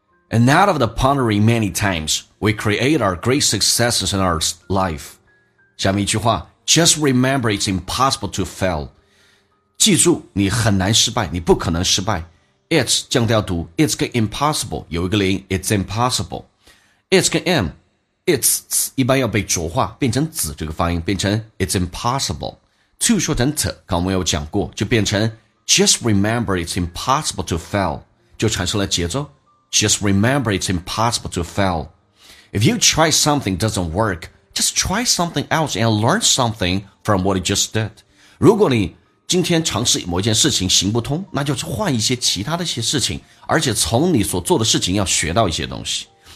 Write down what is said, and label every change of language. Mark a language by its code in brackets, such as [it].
[en] And out of the pondering many timesWe create our great successes in our life. [zh] 下面一句话， [en] Just remember it's impossible to fail. [zh] 记住你很难失败，你不可能失败。 [en] It's [zh] 降调读， It's 跟 impossible 有一个连音， [en] It's impossible. It's [zh] 跟 M， It's 一般要被浊化，变成子这个发音，变成 [en] It's impossible. [zh] To 说成 t， 刚我们有讲过，就变成 [en] Just remember it's impossible to fail， [zh] 就产生了节奏。 [en] Just remember it's impossible to failIf you try something doesn't work, just try something else and learn something from what you just did. [zh] 如果你今天尝试某一件事情行不通，那就是换一些其他的一些事情，而且从你所做的事情要学到一些东西。